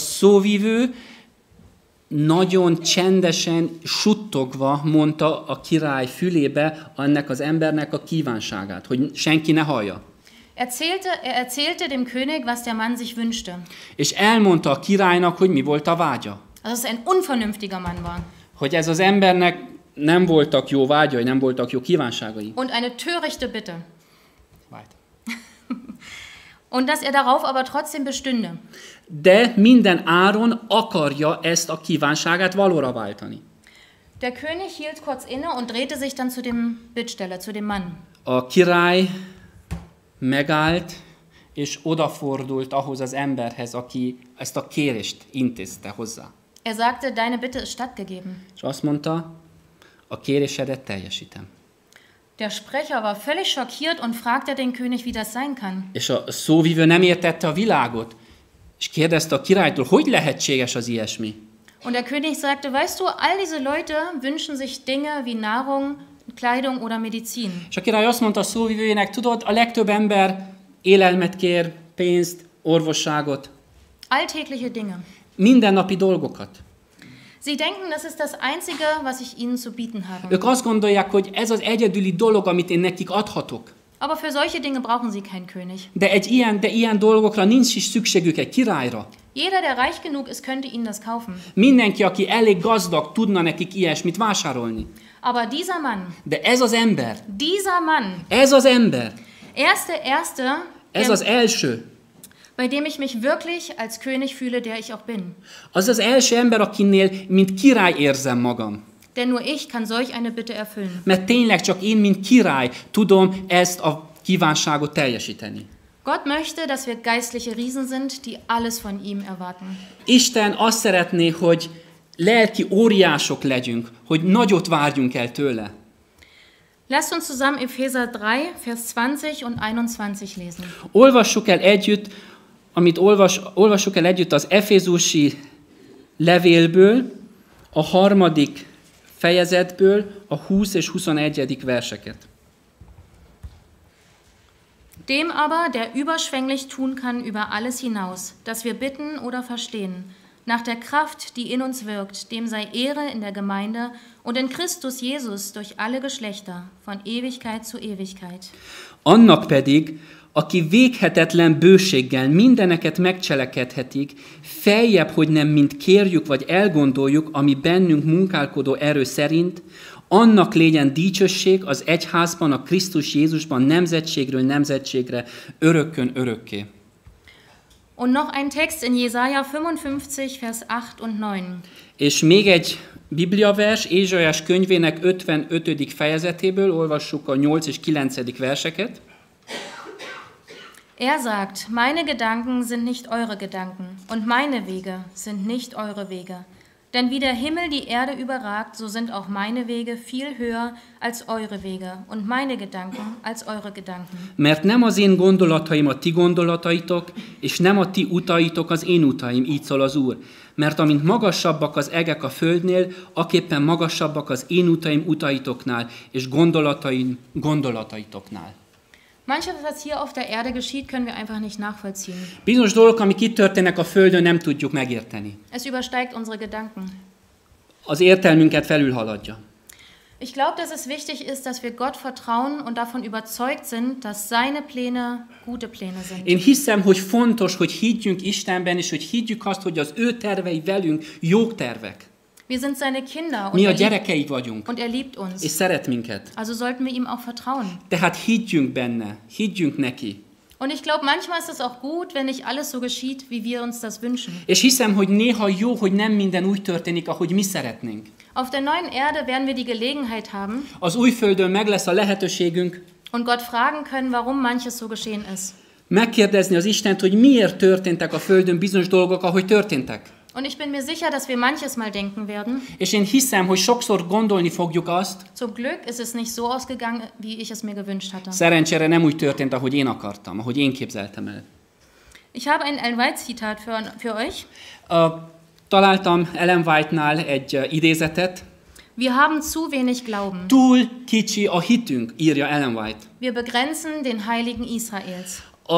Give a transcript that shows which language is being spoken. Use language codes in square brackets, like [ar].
[hu] És a szóvivő nagyon csendesen, suttogva mondta a király fülébe ennek az embernek a kívánságát, hogy senki ne hallja. [de] Er erzählte dem König, was der Mann sich wünschte. [hu] És elmondta a királynak, hogy mi volt a vágya. [de] Also, dass ein unvernünftiger Mann war. [hu] Hogy ez az embernek nem voltak jó vágyai, nem voltak jó kívánságai. [de] Und eine törichte Bitte. Und dass er darauf aber trotzdem bestünde. [hu] De minden áron akarja ezt a kívánságát valóra váltani. [de] Der König hielt kurz inne und drehte sich dann zu dem Bittsteller, zu dem Mann. [hu] A király megállt és odafordult ahhoz az emberhez, aki ezt a kérést intézte hozzá. [de] Er sagte, deine Bitte ist stattgegeben. [hu] És azt mondta, a kérésedet teljesítem. [de] Der Sprecher war völlig schockiert und fragte den König, wie das sein kann. [hu] És a szóvivő nem értette a világot, és kérdezte a királytól, hogy lehetséges az ilyesmi. [de] Und der König sagte, weißt du, all diese Leute wünschen sich Dinge wie Nahrung, Kleidung oder Medizin. [hu] És a király azt mondta a szóvivőjének, tudod, a legtöbb ember élelmet kér, pénzt, orvosságot. [de] Alltägliche Dinge. [hu] Mindennapi dolgokat. [de] Sie denken, das ist das Einzige, was ich ihnen zu bieten habe. [hu] Ők azt gondolják, hogy ez az egyedüli dolog, amit én nekik adhatok. [de] Aber für solche Dinge brauchen sie keinen König. [hu] De ilyen dolgokra nincs is szükségük egy királyra. [de] Jeder, der reich genug ist, könnte ihnen das kaufen. [hu] Mindenki, aki elég gazdag, tudna nekik ilyesmit vásárolni. [de] Aber dieser Mann. [hu] De ez az ember. [de] Dieser Mann. [hu] Ez az ember. [de] Erste. [hu] Ez az első. [de] Bei dem ich mich wirklich als König fühle, der ich auch bin. [hu] Az az első ember, akinél mint király érzem magam. [de] Denn nur ich kann solch eine Bitte erfüllen. [hu] Mert tényleg csak én, mint király, tudom ezt a kívánságot teljesíteni. [de] Gott möchte, dass wir geistliche Riesen sind, die alles von ihm erwarten. [hu] Isten azt szeretné, hogy lelki óriások legyünk, hogy nagyot várjunk el tőle. [de] Lasst uns zusammen Epheser 3, Vers 20 und 21 lesen. [hu] Olvassuk el együtt, olvassuk el együtt az Efézusi levélből, a harmadik fejezetből, a 20 és 21. verseket. [de] Dem aber, der überschwänglich tun kann über alles hinaus, das wir bitten oder verstehen, nach der Kraft, die in uns wirkt, dem sei Ehre in der Gemeinde und in Christus Jesus durch alle Geschlechter, von Ewigkeit zu Ewigkeit. [hu] Annak pedig, aki véghetetlen bőséggel mindeneket megcselekedhetik, feljebb, hogy nem mind kérjük vagy elgondoljuk, ami bennünk munkálkodó erő szerint, annak legyen dicsőség az egyházban, a Krisztus Jézusban nemzetségről nemzetségre, örökkön örökké. [de] Und noch ein Text in Jesaja 55, Vers 8 und 9. [hu] És még egy bibliavers, Ézsaiás könyvének 55. fejezetéből, olvassuk a 8 és 9. verseket. [de] Er sagt, meine Gedanken sind nicht eure Gedanken und meine Wege sind nicht eure Wege. Denn wie der Himmel die Erde überragt, so sind auch meine Wege viel höher als eure Wege und meine Gedanken als eure Gedanken. [hu] Mert nem az én gondolataim a ti gondolataitok, és nem a ti utaitok az én utaim, így szól az Úr. Mert amint magasabbak az egek a földnél, aképpen magasabbak az én utaim utaitoknál és gondolataim gondolataitoknál. [de] Manches, was hier auf der Erde geschieht, können wir einfach nicht nachvollziehen. [hu] Bizonyos dolgok, amik itt történnek a Földön, nem tudjuk megérteni. [de] Es übersteigt unsere Gedanken. [hu] Az értelmünket felülhaladja. [de] Ich glaube, dass es wichtig ist, dass wir Gott vertrauen und davon überzeugt sind, dass seine Pläne gute Pläne sind. [hu] Én hiszem, hogy fontos, hogy higgyünk Istenben, és hogy higgyük azt, hogy az ő tervei velünk jók tervek. [de] Wir sind seine Kinder [hu] und gyerekei vagyunk. [de] Und er liebt uns. [hu] És szeret minket. [de] Also sollten wir ihm auch vertrauen. [hu] Tehát higgyünk benne, higgyünk neki. [de] Und ich glaube, manchmal ist es auch gut, wenn nicht alles so geschieht, wie wir uns das wünschen. [hu] És hiszem, hogy néha jó, hogy nem minden úgy történik, ahogy mi szeretnénk. [de] Auf der neuen Erde werden wir die Gelegenheit haben. [hu] Az új földön meg lesz a lehetőségünk. [de] Und Gott fragen können, warum manches so geschehen ist. [hu] Megkérdezni az Istent, hogy miért történtek a földön bizonyos dolgok, ahogy történtek. [de] Und ich bin mir sicher, dass wir manches mal denken werden. [hu] És én hiszem, hogy sokszor gondolni fogjuk azt. [de] Zum Glück ist es nicht so ausgegangen, wie ich es mir gewünscht hatte. [hu] Szerencsére nem úgy történt, ahogy én akartam, ahogy én képzeltem el. [de] Ich habe ein Ellen White-Zitat für euch. [hu] Találtam Ellen White-nál egy idézetet. [de] Wir haben zu wenig Glauben. [hu] Túl kicsi a hitünk, írja Ellen White. [de] Wir begrenzen den Heiligen Israels.